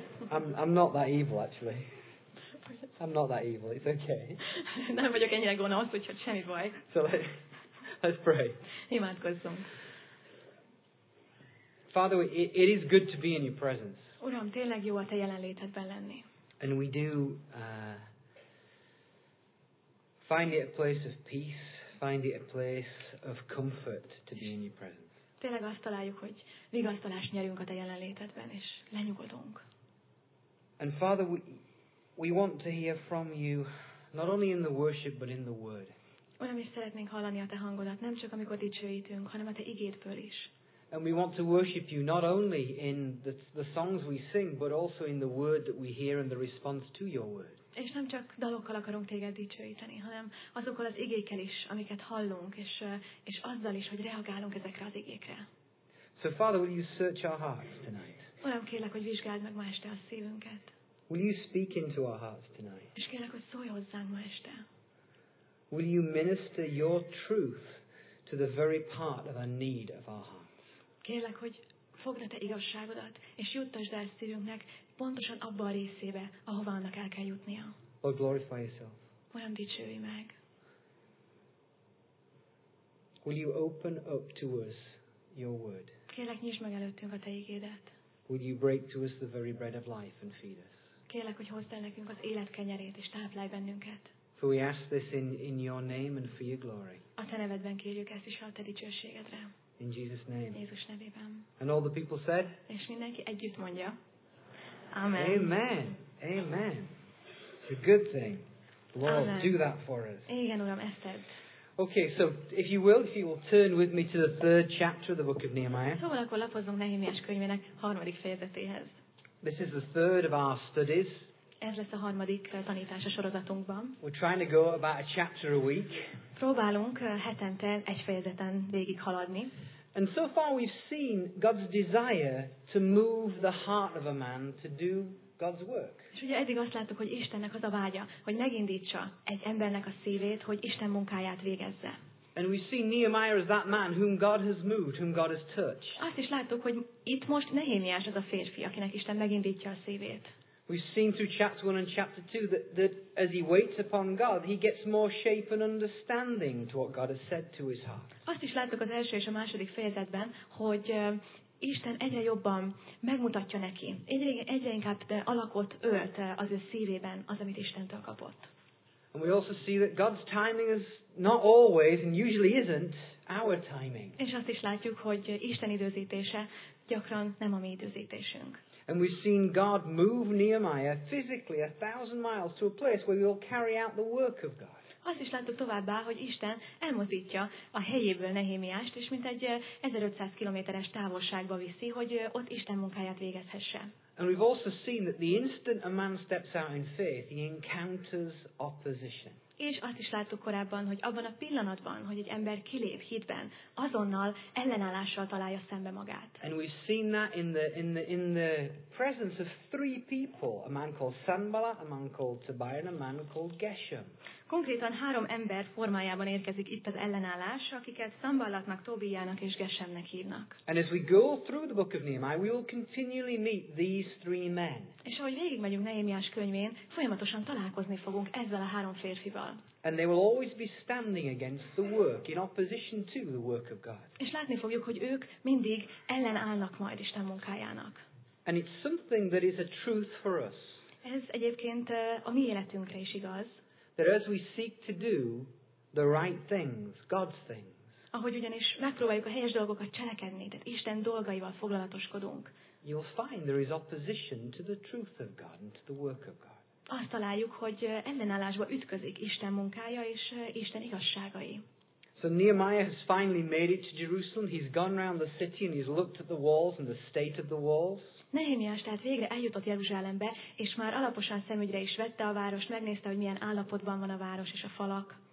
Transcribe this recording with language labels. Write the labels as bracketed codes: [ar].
[en] I'm not that evil, actually. I'm not that evil. It's okay. [hu] Nem vagyok ennyire gonosz, úgyhogy semmi baj. [en] So let's pray. [hu] Imádkozzunk. [en] Father, it is good to be in your presence. [hu] Uram, tényleg jó a te jelenlétedben lenni. [en] And we do find it a place of peace, find it a place of comfort to be in your presence. [hu] Tényleg azt találjuk, hogy vigasztalást nyerünk a te jelenlétedben, és lenyugodunk. [en] And Father, we want to hear from you, not only in the worship, but in the word. [hu] Uram, is szeretnénk hallani a te hangodat, nem csak amikor dicsőítünk, hanem a te igédből is. [en] And we want to worship you not only in the songs we sing, but also in the word that we hear and the response to your word. [hu] És nem csak dalokkal akarunk téged dicsőíteni, hanem azokkal az igékkel is, amiket hallunk, és azzal is, hogy reagálunk ezekre az igékre. [en] So Father, will you search our hearts tonight? [hu] Uram, kérlek, hogy vizsgáld meg ma este a szívünket. [en] Will you speak into our hearts tonight? [hu] És kérlek, hogy szólj hozzánk ma este. [en] Will you minister your truth to the very part of our need of our hearts? [hu] Kérlek, hogy fogd a te igazságodat, és juttasd el szívünknek pontosan abba a részébe, ahova annak el kell jutnia. [en] Lord, glorify yourself. [hu] Uram, dicsőj meg. [en] Will you open up to us your word? [hu] Kérlek, nyisd meg előttünk a te igédet. [en] Will you break to us the very bread of life and feed us? [hu] Kérlek, hogy hozd el nekünk az élet kenyerét, és táplálj bennünket. [en] For we ask this in your name and for your glory. [hu] A te nevedben kérjük ezt is a te dicsőségedre. [en] In Jesus' name. [hu] Jézus nevében. [en] And all the people said. [hu] És mindenki együtt mondja. [en] Amen. Amen. Amen. It's a good thing. Lord, Amen. Do that for us. [hu] Igen, Uram, ezt tedd. [en] Okay, so if you will turn with me to the third chapter of the book of Nehemiah. [hu] Szóval akkor lapozzunk Nehémiás könyvének harmadik fejezetéhez. [en] This is the third of our studies. [hu] Ez lesz a harmadik tanítás a sorozatunkban. [en] We're trying to go about a chapter a week. [hu] Próbálunk hetente egy fejezeten végig haladni. [en] And so far we've seen God's desire to move the heart of a man to do God's work. [hu] És ugye eddig azt láttuk, hogy Istennek az a vágya, hogy megindítsa egy embernek a szívét, hogy Isten munkáját végezze. [en] And we see Nehemiah as that man whom God has moved, whom God has touched. [hu] Azt is láttuk, hogy itt most Nehémiás az a férfi, akinek Isten megindítja a szívét. [en] We've seen through chapter 1 and chapter 2 that as he waits upon God, he gets more shape and understanding to what God has said to his heart. [hu] Azt is láttuk az első és a második fejezetben, hogy Isten egyre jobban megmutatja neki, egyre inkább alakot ölt az ő szívében az, amit Istentől kapott. [en] And we also see that God's timing is not always and usually isn't our timing. [hu] És azt is látjuk, hogy Isten időzítése gyakran nem a mi időzítésünk. [en] And we've seen God move Nehemiah physically 1,000 miles to a place where he will carry out the work of God. [hu] Azt is láttuk továbbá, hogy Isten elmozdítja a helyéből Nehémiást, és mint egy 1500 kilométeres távolságba viszi, hogy ott Isten munkáját végezhesse. [en] And we've also seen that the instant a man steps out in faith, he encounters opposition. [hu] És azt is láttuk korábban, hogy abban a pillanatban, hogy egy ember kilép hitben, azonnal ellenállással találja szembe magát. [en] And we've seen that in the presence of three people, a man called Sanballat, a man called Tobiah, and a man called Geshem. [hu] Konkrétan három ember formájában érkezik itt az ellenállás, akiket Sanballatnak, Tobiának és Geshemnek hívnak. [en] And as we go through the book of Nehemiah, we will continually meet these three men. [hu] És ahogy végigmegyünk Nehémiás könyvén, folyamatosan találkozni fogunk ezzel a három férfival. [en] And they will always be standing against the work, in opposition to the work of God. [hu] És látni fogjuk, hogy ők mindig ellenállnak majd Isten munkájának. [en] And it's something that is a truth for us. [hu] Ez egyébként a mi életünkre is igaz. [en] That as we seek to do the right things, God's things. [hu] Ahogy ugyanis megpróbáljuk a helyes dolgokat cselekedni, tehát Isten dolgaival foglalatoskodunk. [en] You'll find there is opposition to the truth of God and to the work of God. [hu] Azt találjuk, hogy ellenállásba ütközik Isten munkája és Isten igazságai. [en] So Nehemiah has finally made it to Jerusalem. He's gone round the city and he's looked at the walls and the state of the walls. [hu] Nehémiás tehát végre eljutott Jeruzsálembe, és már alaposan szemügyre is vette a várost, megnézte, hogy milyen állapotban van a város és a falak.